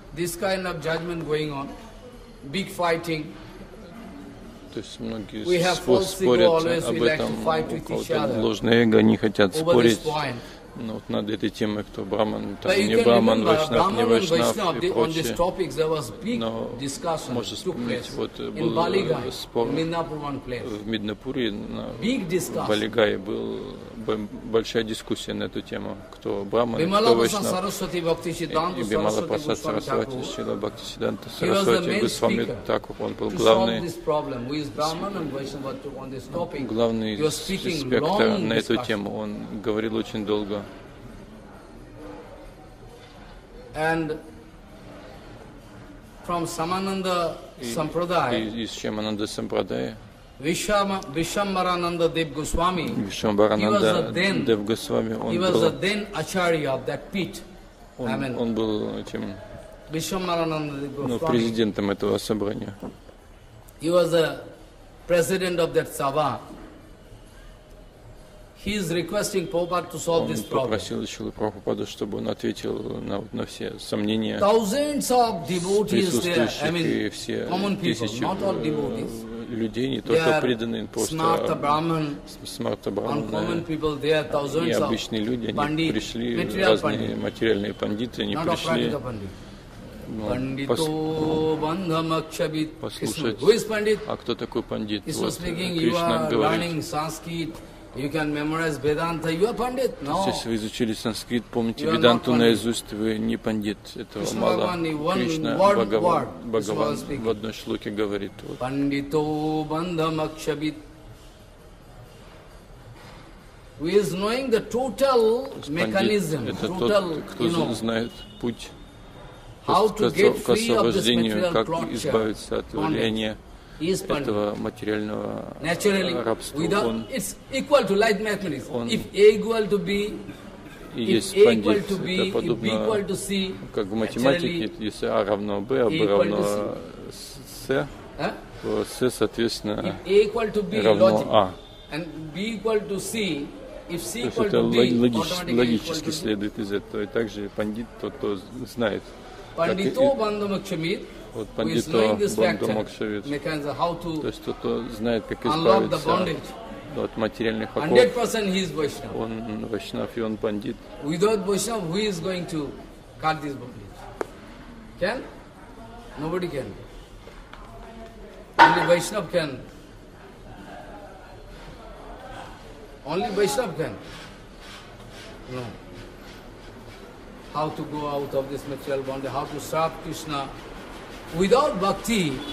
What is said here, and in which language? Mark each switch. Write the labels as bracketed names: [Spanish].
[English] This kind of judgment going on, big fighting. [Russian] То есть многие спорят об этом, у кого-то ложное эго, они хотят спорить. Ну вот над этой темой, кто Брахман, там не Брахман, Вайшнав, не Вайшнав и прочее. [English] Topic, [Russian] но можно вспомнить, вот был спор в Миднапуре, в Балигае была большая дискуссия на эту тему, кто Брахман, кто Вайшнав. И Бимала Прасад Сарасвати, Шрила Бхакти Сиддханта Сарасвати Госвами Тхакур, он был главный спектр на эту тему, он говорил очень долго. [English] And from Samananda Sampradaya, [Russian] из Шамананда Сампрадая, Вишамбарананда Дев Госвами, Вишамбарананда Дев Госвами, [English] he was a then acharya of that pit. [Russian] Он был этим, президентом этого собрания. [English] He was a president of that sabha. He is requesting Prabhupada to solve this problem. [Russian] Он попросил Шрилу Прабхупаду, чтобы он ответил на все сомнения. [English] Thousands of devotees there. I mean, common people, not all devotees. [Russian] Людей, не то что преданные, просто смарта брахманы, не обычные люди, они пришли, разные материальные пандиты, они пришли. Послушать. А кто такой пандит? Кришна говорит. [English] You can memorize Vedanta. You are pandit. No. [Russian] То есть, если вы изучили санскрит, помните Веданту наизусть, вы не пандит. Этого Krishna мало. Кришна Бхагаван в одной шлоке говорит. [Sanskrit] Пандито бандамакшабит. [English] Who is knowing the total mechanism, total, [Russian] знает путь. [English] How to get free of this material torture? [Russian] Как избавиться от влияния этого материального рабства? Он, [English] it's equal to light mechanism. [Russian] Он, [English] if A equal to B, if A equal to B, if B equal to C, [Russian] как в математике, если A равно B, а B равно C, то C, соответственно, равно A. [English] And B equal to C. [Russian] То есть это логически следует из этого. И также пандит тот, кто знает. [Sanskrit] Пандито бандамакшамит, [Russian] то есть тот, кто знает, как избавиться от материальных оков, он вайшнав, и он пандит. [English] Without vaishnav, who is going to cut this bondage? Can? Nobody can. Only vaishnav can. Only Vaishnav can know how to go out of this material bondage, how to serve Krishna without bhakti.